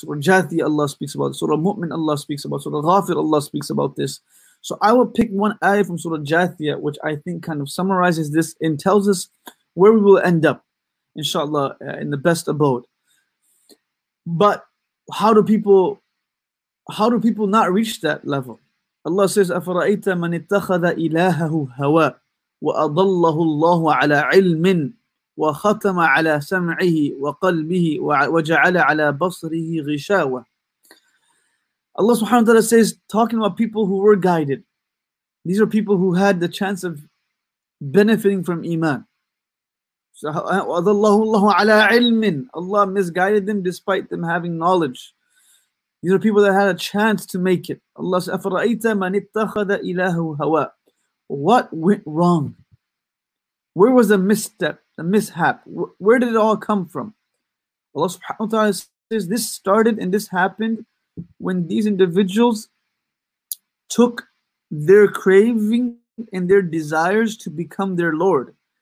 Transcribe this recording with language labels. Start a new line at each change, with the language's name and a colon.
English: Surah Jathi, Allah speaks about this. Surah Mu'min, Allah speaks about this. Surah Ghafir, Allah speaks about this. So I will pick one ayah from Surah Jathiya, which I think kind of summarizes this and tells us where we will end up, inshallah, in the best abode. But how do people not reach that level? Allah says,
Arabic: أَفَرَأَيْتَ مَنِ اتَّخَذَ إِلَٰهَهُ هَوَى وَأَضَلَّهُ اللَّهُ عَلَىٰ عِلْمٍ وَخَتَمَ عَلَى سَمْعِهِ وَقَلْبِهِ وَجَعَلَ عَلَى بَصْرِهِ غِشَاوَةً.
English: Allah subhanahu wa ta'ala says, talking about people who were guided. These are people who had the chance of benefiting from iman.
Arabic: وَظَلَّهُ اللَّهُ عَلَى عِلْمٍ.
English: Allah misguided them despite them having knowledge. These are people that had a chance to make it. Allah says,
Arabic: أَفْرَأَيْتَ مَنِ اتَّخَذَ إِلَهُ هَوَى.
English: What went wrong? Where was the misstep, the mishap? Where did it all come from? Allah subhanahu wa ta'ala says, this started and this happened when these individuals took their craving and their desires to become their Lord.